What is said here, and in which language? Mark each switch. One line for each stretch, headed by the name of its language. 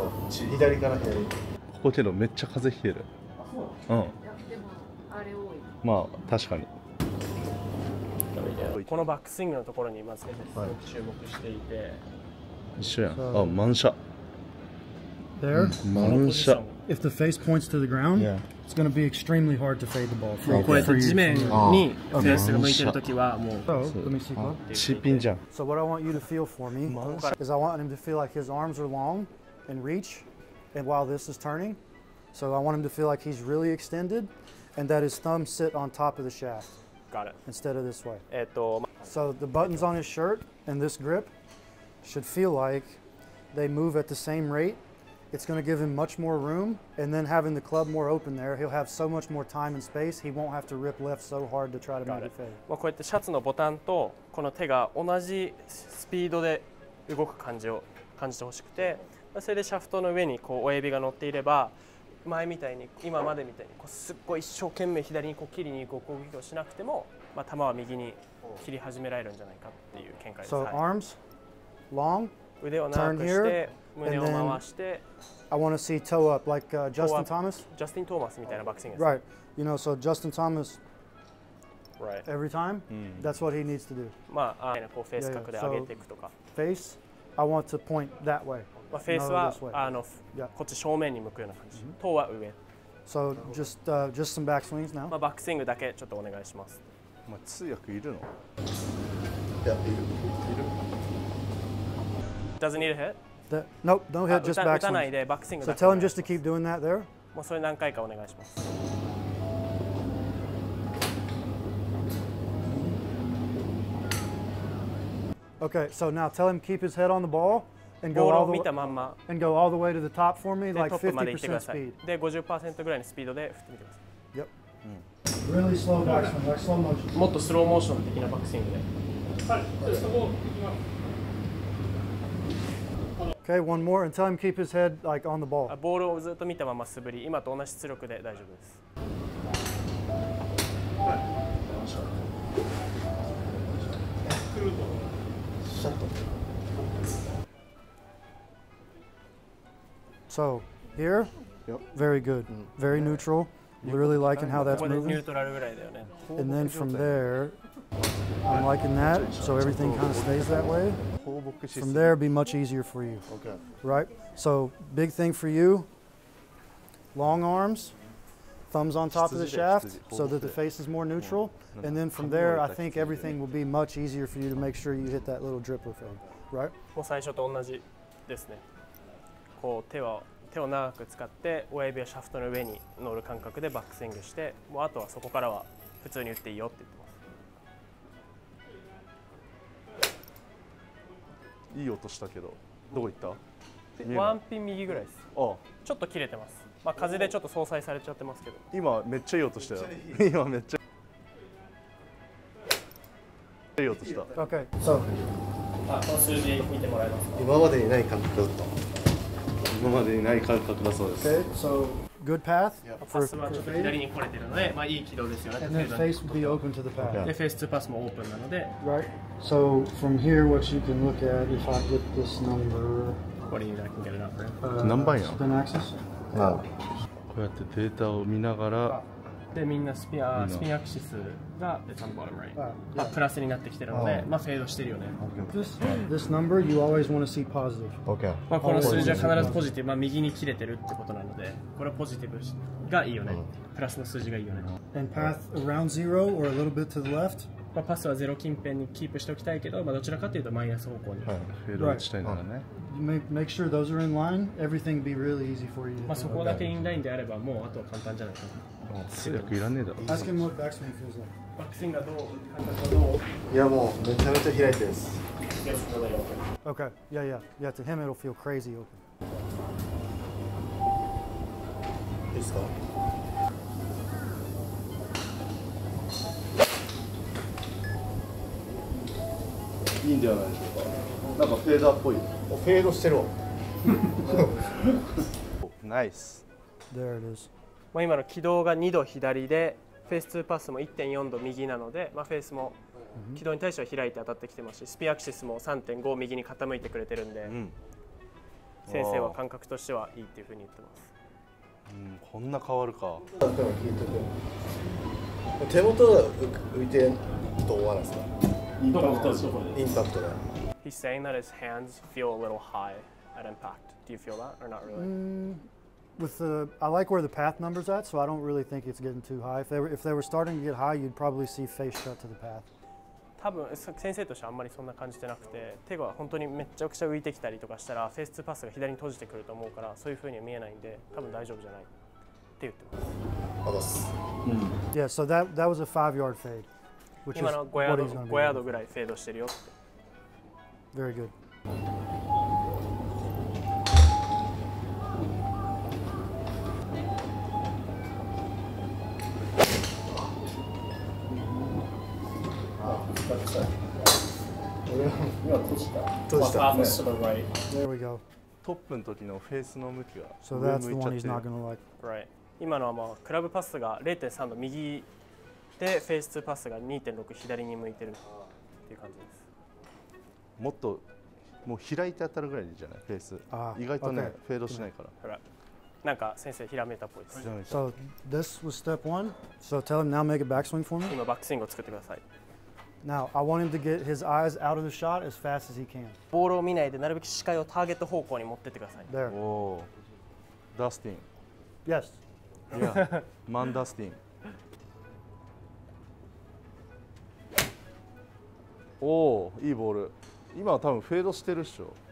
Japanese: 左から左。ここけどめっちゃ風邪ひける。あ、そう。うん、でもあれ多い。まあ確かに。このバックスイングのところにいますけど、はい、注目していて。一緒やん。あ、満車。
English: There?
Japanese: 満車。
English: If the face points to the ground, it's going to be extremely hard to fade the ball.
Japanese: もうこれ地面にフェースが向いてるときはもう。チピンじゃん。
English: So what I want you to feel for me is I want him to feel like his arms are long and reach, and while this is turning, so I want him to feel like he's really extended, and that his thumbs sit on top of the shaft. Got it. Instead of this way. So the buttons on his shirt and this grip should feel like they move at the same rate. It's going to give him much more room. And then having the club more open there, he'll have so much more time and space. He won't have to rip left so hard to try to make it fade.
Japanese: まあこうやってシャツのボタンとこの手が同じスピードで動く感じを感じてほしくて、それでシャフトの上にこう親指が乗っていれば、前みたいに今までみたいにこうすっごい一生懸命左にこう切りに行く攻撃をしなくても、まあ球は右に切り始められるんじゃないかっていう見解です。
English: So arms long,
Japanese: 腕を長くして胸を回して、
English: I want to see toe up like Justin Thomas.
Japanese: Justin Thomas みたいなバックスイング。
English: Right, you know, so Justin Thomas. Right. Every time, that's what he needs to do.
Japanese: まあ、ああ、こうフェース角で上げていくとか。
English: Face, I want to point that way.
Japanese: まあ、フェースはあのこっち正面に向くような感じ。頭は上。
English: So just some back swings now。
Japanese: まあバックスイングだけちょっとお願いします。まあ、通訳いるの？いや、いる。いる。
English: Doesn't need a hit? Nope, don't hit, just back swings。
Japanese: 打たないでバックスイングだけ。
English: So tell him just to keep doing that there。
Japanese: もうそれ何回かお願いします。
English: Okay, so now tell him keep his head on the ball. And go, all the way,
Japanese: まんま
English: and go all the way to the top for me, like 50% speed.
Japanese: で 50% ぐらいのスピードで振ってみてください。
English: Yep. Really slow backswing, like slow motion.
Japanese: もっとスローモーション的なバックスイングで。
English: Okay, one more, and tell him keep his head like on the ball.
Japanese: ボールをずっと見たまま素振り、今と同じ出力で大丈夫です。シャット。
English: So here, very good, very neutral. Really liking how that's moving. And then from there, I'm liking that. So everything kind of stays that way. From there, it'd be much easier for you. Okay. Right? So big thing for you, long arms, thumbs on top of the shaft so that the face is more neutral. And then from there, I think everything will be much easier for you to make sure you hit that little drip of it. Right?
Japanese: もう最初と同じですね。こう手は手を長く使って親指をシャフトの上に乗る感覚でバックスイングして、もうあとはそこからは普通に打っていいよって言ってます。いい音したけどどこ行った？ワンピン右ぐらいです。ああ、ちょっと切れてます。まあ、風でちょっと相殺されちゃってますけど。今めっちゃいい音したよ。今めっちゃいい音した。オッケー。そう。あ、この数字見てもらえますか？今までにない感覚だった。今までにない感覚だそうです。
English: Okay. So good path.
Japanese: パスはちょっと左に来れてるので、まあいい軌道ですよね。
English: And then face will be open to the path.
Japanese: で、face to pass もオープンなので。
English: Right. So from here, what you can look at if I get this number. What do you think I can get it up?
Japanese: 何番や？
English: Spin access.
Japanese: あ、こうやってデータを見ながら。でみんなスピンアクシスが
English: It's on bottom right.
Japanese: まあ、プラスになってきてるので、まあ、フェードしてるよね。
English: This number you always want to see positive. Okay.
Japanese: まあ、この数字は必ずポジティブ、まあ、右に切れてるってことなので、これはポジティブがいいよね、プラスの数字がいいよね。
English: And path around zero or a little bit to the left.
Japanese: まあ、パスはゼロ近辺にキープしておきたいけど、まあ、どちらかというとマイナス方向に、はい、フェード落ちたいならね。
English: Make sure those are in line. Everything be really easy for you.
Japanese: まあ、そこだけインラインであればもうあとは簡単じゃないかな。強くいらねえだ
English: ろ。 Ask him what backswing feels like.
Japanese: バックスイングがどう、感覚がどう。いや、もうめちゃめちゃ開いてです。
English: Yes, really open. Okay. Yeah, yeah. Yeah, to him it'll feel crazy open.
Japanese: いいですか？いいんじゃないですか？なんかフェーダーっぽい。お、フェードしてるわ。ナイス。
English: There it is.
Japanese: まあ、今の軌道が2度左でフェース2パスも 1.4 度右なので、まあフェースも軌道に対しては開いて当たってきてますし、スピンアクシスも 3.5 右に傾いてくれてるんで、先生は感覚としてはいいっていうふうに言ってます。うん、こんな変わるか。手元が浮いてると思わないですか？インパクトで、インパクトで。
English: He's saying that his hands feel a little high at impact. Do you feel that or not really? With the, I like where the path number's at, so I don't really think it's getting too high. If they were starting to get high, you'd probably see face shut to the path.
Japanese: 多分先生としてはあんまりそんな感じてなくて、手が本当にめちゃくちゃ浮いてきたりとかしたら、フェース2パスが左に閉じてくると思うから、そういう風には見えないんで、多分大丈夫じゃないって言ってます。あ、です。
English: Yeah, so that was a 5-yard fade.
Japanese: Which 今の5ヤード、5ヤードぐらいフェードしてるよって。
English: Very good. There we go.
Japanese: トップの時のフェースの向きが上向いちゃってる。
English: So that's the one he's not gonna like. Right.
Japanese: 今のはまあクラブパスが 0.3 度右でフェース2パスが 2.6 左に向いてるっていう感じです。もっともう開いて当たるぐらいじゃない？フェース。意外とね、okay. フェードしないから。なんか先生ひらめいたっぽいです。
English: So this was step one. So tell him now make a backswing for me. 今バックスイングを作ってください。 Now, I want him to get his eyes out of the shot as fast as he can.
Japanese: ボールを見ないで、なるべく視界をターゲット方向に持ってってください。
English: There. Whoa. Dustin. Yes. Yeah. Man, Dustin.
Japanese: Oh, いいボール。今は多分フェードしてるっしょ。